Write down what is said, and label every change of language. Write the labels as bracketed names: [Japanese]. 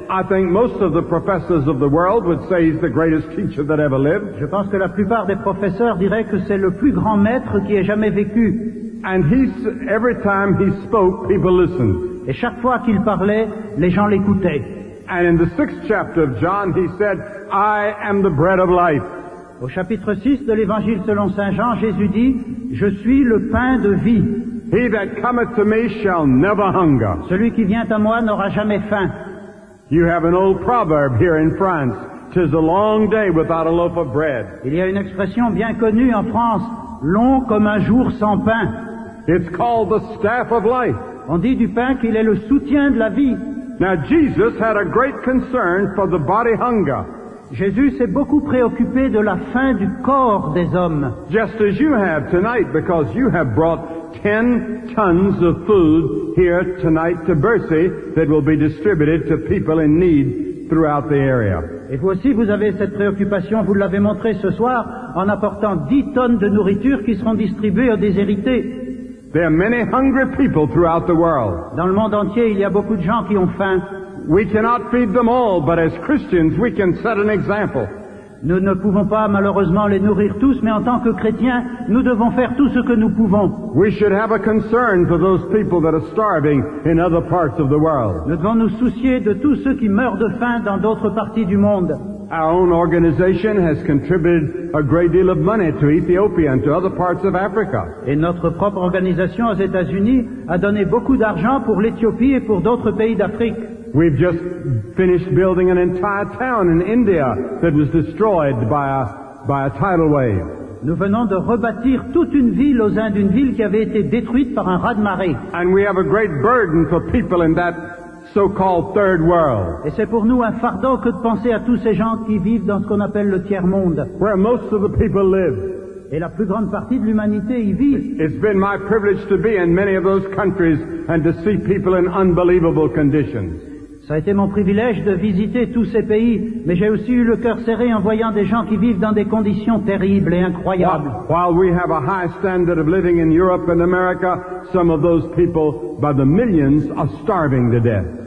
[English] I think most of the professors of the world would say he's the greatest teacher that ever lived. [French] Je pense que la plupart des professeurs diraient que c'est le plus grand maître qui ait jamais vécu. [English] And he, every time he spoke, people listened. [French] Et chaque fois qu'il parlait, les gens l'écoutaient. [English] And in the 6th chapter of John, he said, I am the bread of life. [French] Au chapitre 6 de l'Évangile selon Saint Jean, Jésus dit, je suis le pain de vie. [English] He that cometh to me shall never hunger. [French] Celui qui vient à moi n'aura jamais faim. [English] You have an old proverb here in France, 'tis a long day without a loaf of bread. [French] Il y a une expression bien connue en France, long comme un jour sans pain. [English] It's called the staff of life. [French] On dit du pain qu'il est le soutien de la vie. [English] Now Jesus had a great concern for the body hunger. [French] Jésus s'est beaucoup préoccupé de la faim du corps des hommes. [English] Just as you have tonight, because you have brought 10 tons of food here tonight to Bercy that will be distributed to people in need throughout the area. [French] Et vous aussi, vous avez cette préoccupation, vous l'avez montré ce soir, en apportant 10 tonnes de nourriture qui seront distribuées aux déshérités. [English] There are many hungry people throughout the world. [French] Dans le monde entier, il y a beaucoup de gens qui ont faim. [English] We cannot feed them all, but as Christians, we can set an example. [French] Nous ne pouvons pas malheureusement les nourrir tous, mais en tant que chrétiens, nous devons faire tout ce que nous pouvons. [English] We should have a concern for those people that are starving in other parts of the world. [French] Nous devons nous soucier de tous ceux qui meurent de faim dans d'autres parties du monde. [English] Our own organization has contributed a great deal of money to Ethiopia and to other parts of Africa. [French] Et notre propre organisation aux États-Unis a donné beaucoup d'argent pour l'Éthiopie et pour d'autres pays d'Afrique. [English] We've just finished building an entire town in India that was destroyed by a tidal wave. [French] Nous venons de rebâtir toute une ville aux Indes, une ville qui avait été détruite par un raz-de-marée. [English] And we have a great burden for people in that so-called third world. [French] Et c'est pour nous un fardeau que de penser à tous ces gens qui vivent dans ce qu'on appelle le tiers-monde. [English] Where most of the people live. [French] Et la plus grande partie de l'humanité y vit. [English] It's been my privilege to be in many of those countries and to see people in unbelievable conditions. [French] Ça a été mon privilège de visiter tous ces pays, mais j'ai aussi eu le cœur serré en voyant des gens qui vivent dans des conditions terribles et incroyables. [English] While we have a high standard of living in Europe and America, some of those people, by the millions, are starving to death.